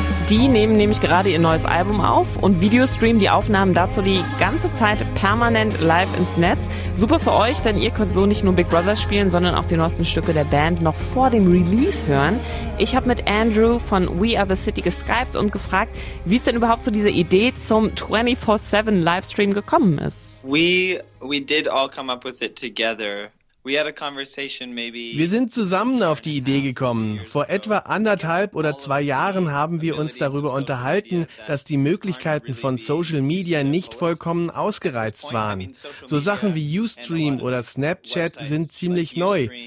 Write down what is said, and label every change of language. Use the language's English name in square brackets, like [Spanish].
[German] Die nehmen nämlich gerade ihr neues Album auf und Videostreamen die Aufnahmen dazu die ganze Zeit permanent live ins Netz. Super für euch, denn ihr könnt so nicht nur Big Brother spielen, sondern auch die neuesten Stücke der Band noch vor dem Release hören. Ich habe mit Andrew von We Are The City geskypt und gefragt, wie es denn überhaupt zu dieser Idee zum 24/7 Livestream gekommen ist. [English] We did all come up with it together. [German] Wir sind zusammen auf die Idee gekommen. Vor etwa anderthalb oder zwei Jahren haben wir uns darüber unterhalten, dass die Möglichkeiten von Social Media nicht vollkommen ausgereizt waren. So Sachen wie Ustream oder Snapchat sind ziemlich neu.